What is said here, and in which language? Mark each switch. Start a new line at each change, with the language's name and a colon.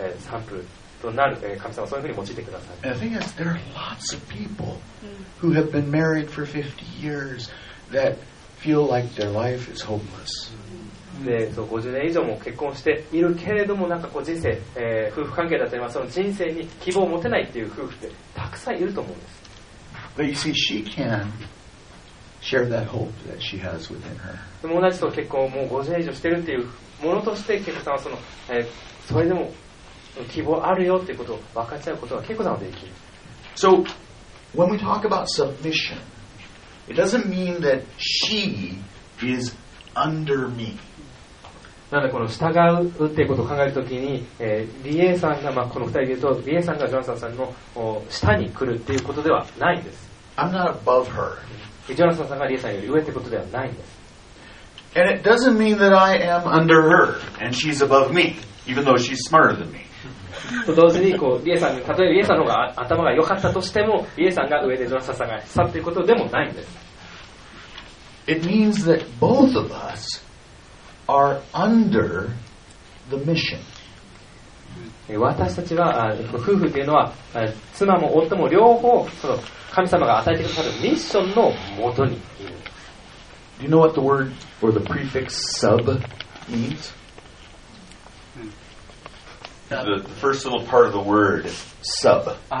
English: And the thing is, there are lots of people who have been married for 50 years that feel like their life is hopeless.
Japanese: でそう50年以上も結婚しているけれどもなんかこう人生、夫婦関係だったりその人生に希望を持てないっていう夫婦ってたくさんいると思うんです。
English: But you see, she can share that hope that she has within her.
Japanese: でも同じと結婚もう50年以上してるっていうものとして結婚さんはその、それでも希望あるよっていうことを分かっちゃうことは結婚さんはできる。
English: So when we talk about submission, it doesn't mean that she is under me.
Japanese: なのでこの従うっていうことを考えるときに、リエさんが、まあ、この二人で言うとリエさんがジョナサンさんの下に来るっていうことではないんです。
English: I'm not above her.
Japanese: ジョナサンさんがリエさんより上ってことではないんです。
English: And it doesn't mean that I am under her and she's above me, even though she's smarter than me.
Japanese: と同時にこうリエさん、例えばリエさんの方が頭が良かったとしてもリエさんが上でジョナサンさんが下っていうことでもないんです。
English: It means that both of us are under the mission.
Japanese: 私たちは夫婦というのは妻も夫も両方その神様が与えてくださるミッションのもとにいる。
English: Do you know what the word or the prefix sub means? The first little part of the word sub.